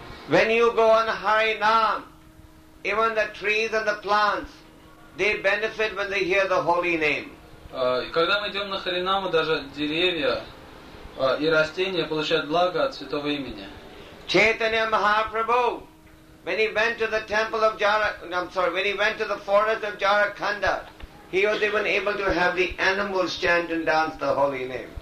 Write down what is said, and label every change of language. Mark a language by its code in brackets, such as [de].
[en] When you go on Hari Nam, even the trees and the plants, they benefit when they hear the holy name. [ru] Когда мы идем на Харинаму, даже деревья и растения получают благо от святого имени. [en] Chaitanya Mahaprabhu, when he went to the temple of when he went to the forest of Jarakhanda, he was even able to have the animals chant and dance the holy name.